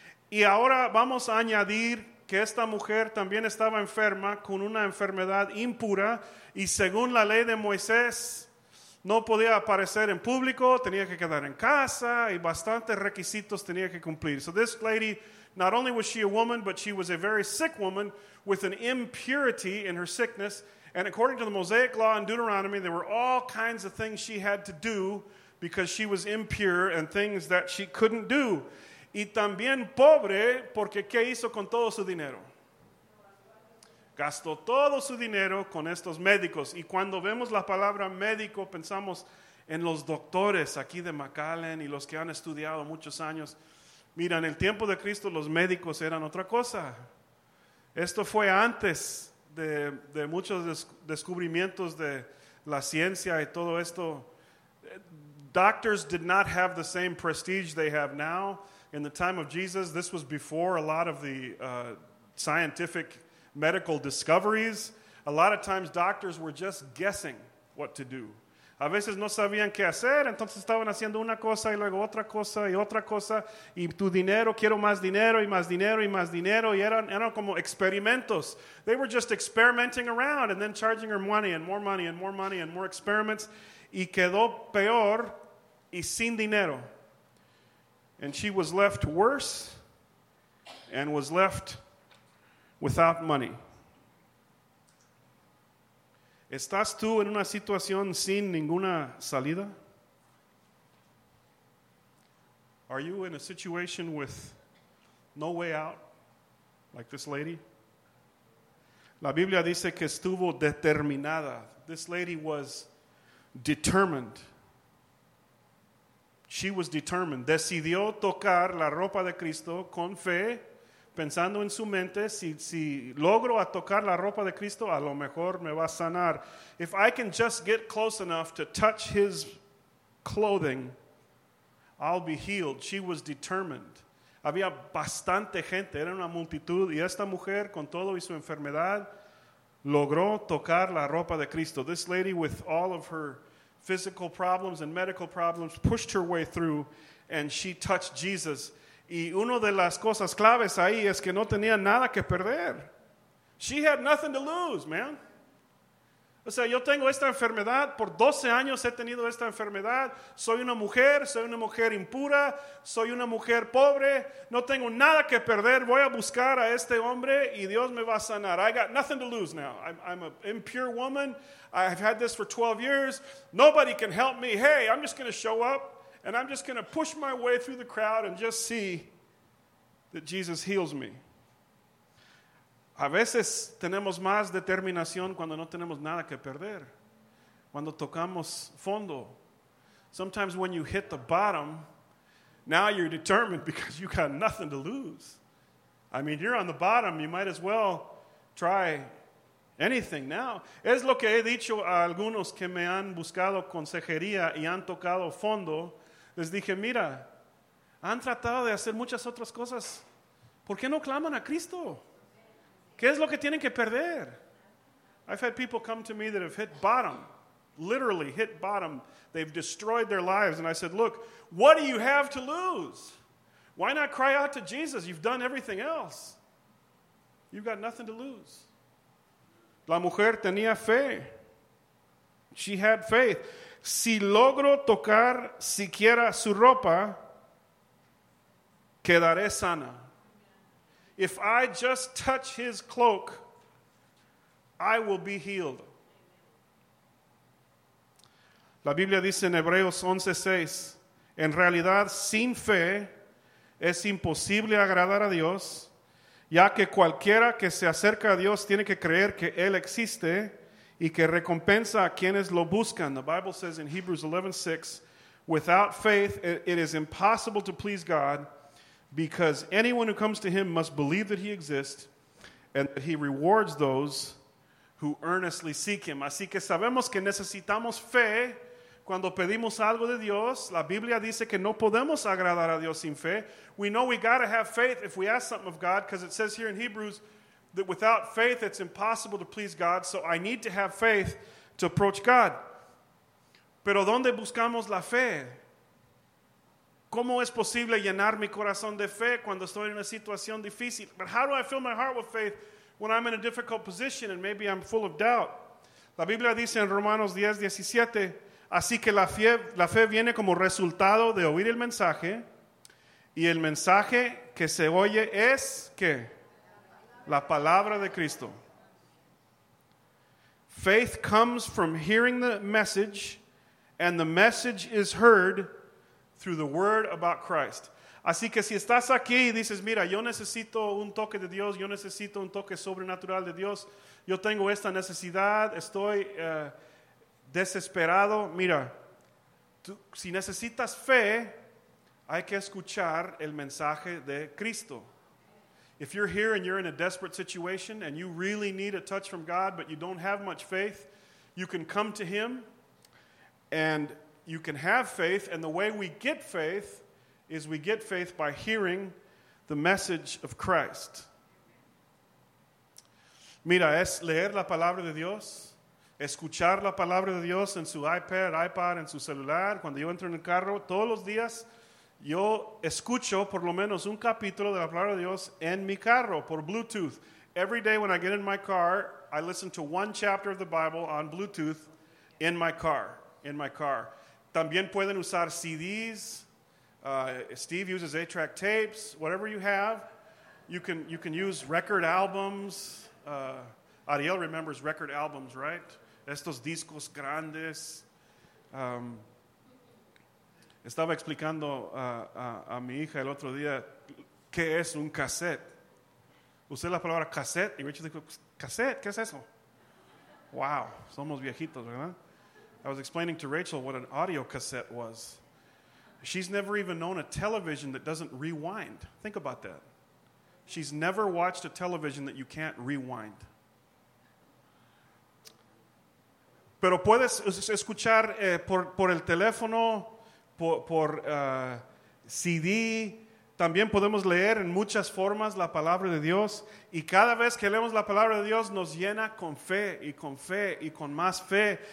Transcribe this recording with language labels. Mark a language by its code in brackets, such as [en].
[es] Y ahora vamos a añadir que esta mujer también estaba enferma con una enfermedad impura y según la ley de Moisés no podía aparecer en público, tenía que quedar en casa y bastantes requisitos tenía que cumplir. [en] So this lady, not only was she a woman, but she was a very sick woman with an impurity in her sickness. And according to the Mosaic law in Deuteronomy, there were all kinds of things she had to do because she was impure and things that she couldn't do. [es] Y también pobre, porque ¿qué hizo con todo su dinero? Gastó todo su dinero con estos médicos. Y cuando vemos la palabra médico, pensamos en los doctores aquí de McAllen y los que han estudiado muchos años. Mira, en el tiempo de Cristo los médicos eran otra cosa. Esto fue antes de muchos descubrimientos de la ciencia y todo esto. [en] Doctors did not have the same prestige they have now. In the time of Jesus, this was before a lot of the scientific medical discoveries. A lot of times doctors were just guessing what to do. [es] A veces no sabían qué hacer, entonces estaban haciendo una cosa y luego otra cosa y otra cosa. Y tu dinero, quiero más dinero y más dinero y más dinero. Y eran como experimentos. [en] They were just experimenting around and then charging her money and more money and more money and more experiments. [es] Y quedó peor y sin dinero. [en] And she was left worse and was left without money. [es] ¿Estás tú en una situación sin ninguna salida? [en] Are you in a situation with no way out, like this lady? [es] La Biblia dice que estuvo determinada. [en] This lady was determined. She was determined. [es] Decidió tocar la ropa de Cristo con fe, pensando en su mente, si logro a tocar la ropa de Cristo, a lo mejor me va a sanar. [en] If I can just get close enough to touch his clothing, I'll be healed. She was determined. [es] Había bastante gente, era una multitud, y esta mujer, con todo y su enfermedad, logró tocar la ropa de Cristo. [en] This lady, with all of her physical problems and medical problems, pushed her way through, and she touched Jesus. [es] Y una de las cosas claves ahí es que no tenía nada que perder. [en] She had nothing to lose, man. [es] O sea, yo tengo esta enfermedad. Por 12 años he tenido esta enfermedad. Soy una mujer impura. Soy una mujer pobre. No tengo nada que perder. Voy a buscar a este hombre y Dios me va a sanar. [en] I got nothing to lose now. I'm an impure woman. I've had this for 12 years. Nobody can help me. Hey, I'm just going to show up. And I'm just going to push my way through the crowd and just see that Jesus heals me. [es] A veces tenemos más determinación cuando no tenemos nada que perder. Cuando tocamos fondo. [en] Sometimes when you hit the bottom, now you're determined because you got nothing to lose. I mean, you're on the bottom. You might as well try anything now. [es] Es lo que he dicho a algunos que me han buscado consejería y han tocado fondo. Les dije, mira, han tratado de hacer muchas otras cosas. ¿Por qué no claman a Cristo? ¿Qué es lo que tienen que perder? [en] I've had people come to me that have hit bottom, literally hit bottom. They've destroyed their lives. And I said, look, what do you have to lose? Why not cry out to Jesus? You've done everything else. You've got nothing to lose. [es] La mujer tenía fe. [en] She had faith. [es] Si logro tocar siquiera su ropa, quedaré sana. [en] If I just touch his cloak, I will be healed. [es] La Biblia dice en Hebreos 11:6, en realidad sin fe es imposible agradar a Dios, ya que cualquiera que se acerca a Dios tiene que creer que Él existe y que recompensa a quienes lo buscan. [en] The Bible says in Hebrews 11:6, without faith, it is impossible to please God, because anyone who comes to him must believe that he exists, and that he rewards those who earnestly seek him. [es] Así que sabemos que necesitamos fe. Cuando pedimos algo de Dios, la Biblia dice que no podemos agradar a Dios sin fe. [en] We know we got to have faith if we ask something of God, because it says here in Hebrews that without faith it's impossible to please God. So I need to have faith to approach God. [es] Pero ¿dónde buscamos la fe? ¿Cómo es posible llenar mi corazón de fe cuando estoy en una situación difícil? [en] But how do I fill my heart with faith when I'm in a difficult position and maybe I'm full of doubt? [es] La Biblia dice en Romanos 10, 17, así que la fe viene como resultado de oír el mensaje, y el mensaje que se oye es, ¿qué? La palabra de Cristo. [en] Faith comes from hearing the message, and the message is heard through the word about Christ. [es] Así que si estás aquí y dices, mira, yo necesito un toque de Dios, yo necesito un toque sobrenatural de Dios, yo tengo esta necesidad, estoy desesperado. Mira, tú, si necesitas fe, hay que escuchar el mensaje de Cristo. [en] If you're here and you're in a desperate situation and you really need a touch from God, but you don't have much faith, you can come to him and you can have faith. And the way we get faith is we get faith by hearing the message of Christ. [es] Mira, es leer la palabra de Dios, escuchar la palabra de Dios en su iPad, en su celular. Cuando yo entro en el carro, todos los días yo escucho por lo menos un capítulo de la palabra de Dios en mi carro por Bluetooth. [en] Every day when I get in my car, I listen to one chapter of the Bible on Bluetooth in my car, in my car. [es] También pueden usar CDs. [en] Steve uses 8-track tapes. Whatever you have, you can use record albums. Ariel remembers record albums, right? [es] Estos discos grandes. Estaba explicando a mi hija el otro día qué es un cassette. Usé la palabra cassette y Richard dijo, cassette, ¿qué es eso? Wow, somos viejitos, ¿verdad? [en] I was explaining to Rachel what an audio cassette was. She's never even known a television that doesn't rewind. Think about that. She's never watched a television that you can't rewind. [es] Pero puedes escuchar por el teléfono, por CD. También podemos leer en muchas formas la palabra de Dios. Y cada vez que leemos la palabra de Dios, nos llena con fe y con fe y con más fe.